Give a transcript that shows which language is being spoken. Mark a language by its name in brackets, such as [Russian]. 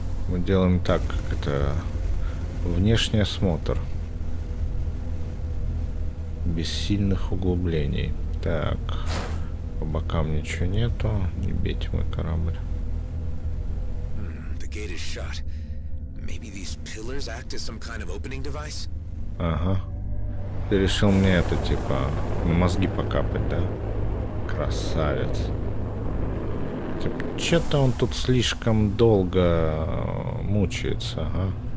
[Russian] Мы делаем так, как это внешний осмотр. Без сильных углублений. Так, по бокам ничего нету. Не бейте мой корабль. [English] The gate is shut. Maybe these pillars act as some kind of opening device? [Russian] Ага. Ты решил мне это типа мозги покапать, да? Красавец. Типа, че-то он тут слишком долго мучается, ага.